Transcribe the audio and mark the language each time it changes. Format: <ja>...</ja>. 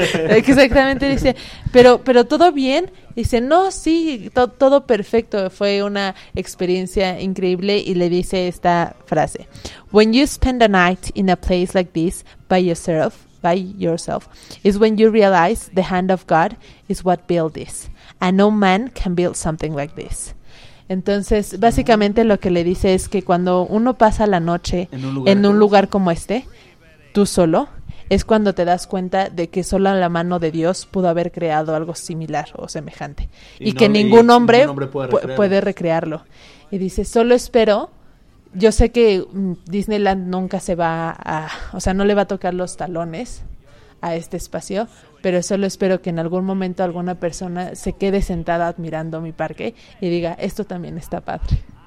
<es>Exactamente, dice, pero ¿todo bien? Dice, no, sí, todo perfecto, fue una experiencia increíble. Y le dice esta frase:</es> <en>when you spend a night in a place like this by yourself, is when you realize the hand of God is what built this, and no man can build something like this.</en> <es>Entonces, básicamente lo que le dice es que cuando uno pasa la noche en un lugar como este, tú solo, es cuando te das cuenta de que solo la mano de Dios pudo haber creado algo similar o semejante. Y no, que ningún hombre puede recrearlo. Y dice, solo espero, yo sé que Disneyland nunca se va a, o sea, no le va a tocar los talones a este espacio, pero solo espero que en algún momento alguna persona se quede sentada admirando mi parque y diga, esto también está padre.</es>